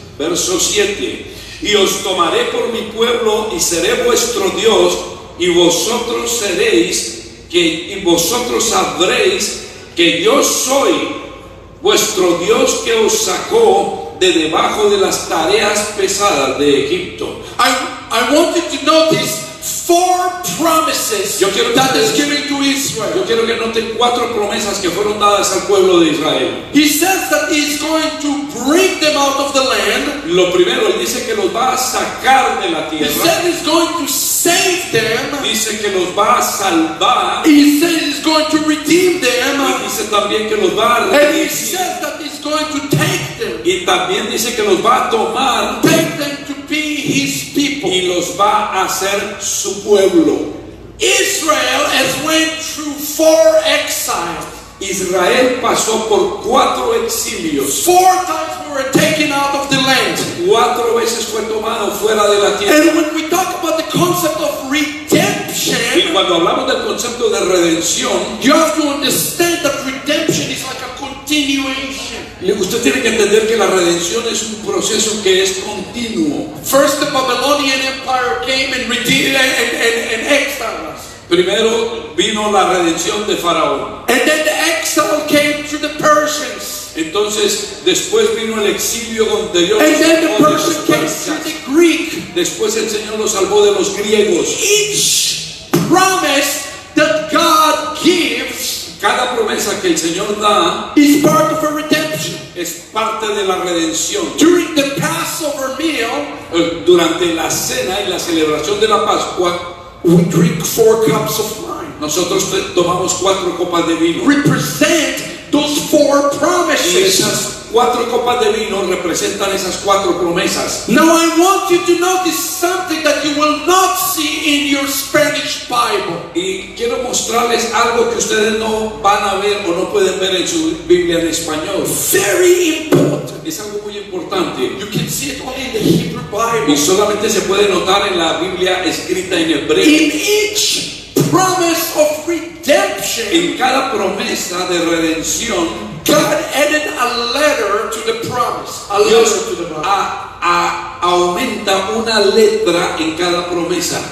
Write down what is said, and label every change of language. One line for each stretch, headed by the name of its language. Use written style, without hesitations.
Spanish: Verso 7. Y os tomaré por mi pueblo y seré vuestro Dios y vosotros seréis que, y vosotros sabréis que yo soy vuestro Dios que os sacó de debajo de las tareas pesadas de Egipto.
English: I want you to notice four promises that is given to Israel.
Spanish: Yo quiero que noten cuatro promesas que fueron dadas al pueblo de Israel.
English: He says that he is going to bring them out of the land.
Spanish: Lo primero, él dice que los va a sacar de la tierra.
English: He said he's going to save them.
Spanish: Dice que los va a salvar.
English: He said he's going to redeem them.
Spanish: Y dice también que los va a redimir.
English: And he says that he's going to take them.
Spanish: Y también dice que los va a tomar.
English: Take them to be his people.
Spanish: Y los va a hacer su pueblo.
English: Israel has went through four exiles.
Spanish: Israel pasó por cuatro exilios.
English: Four times we were taken out of the land.
Spanish: Cuatro veces fue tomado fuera de la tierra.
English: And when we talk about the concept of redemption,
Spanish: y cuando hablamos del concepto de redención,
English: you have to understand that redemption is like a continuation.
Spanish: Usted tiene que entender que la redención es un proceso que es continuo.
English: First the Babylonian Empire came and redeemed and exiled us.
Spanish: Primero vino la redención de Faraón.
English: And then the exile came to the Persians.
Spanish: Entonces después vino el exilio donde Dios.
English: And then the Persian came to the Greek.
Spanish: Después el Señor lo salvó de los griegos.
English: Each promise that God gives.
Spanish: Cada promesa que el Señor da
English: is part of a redemption.
Spanish: Es parte de la redención.
English: During the Passover meal.
Spanish: Durante la cena y la celebración de la Pascua.
English: We drink four cups of wine.
Spanish: Nosotros tomamos cuatro copas de vino.
English: Represent those four promises.
Spanish: Y esas cuatro copas de vino representan esas cuatro promesas.
English: Now I want you to notice something that you will not see in your Spanish Bible.
Spanish: Y quiero mostrarles algo que ustedes no van a ver o no pueden ver en su Biblia en español.
English: Very important.
Spanish: Es algo muy importante.
English: You can see it only in the Hebrew Bible.
Spanish: Y solamente se puede notar en la Biblia escrita en hebreo.
English: In each promise of redemption. shame.
Spanish: En cada promesa de redención,
English: God added a letter to the promise. A letter to the promise.
Spanish: Aumenta una letra en cada promesa.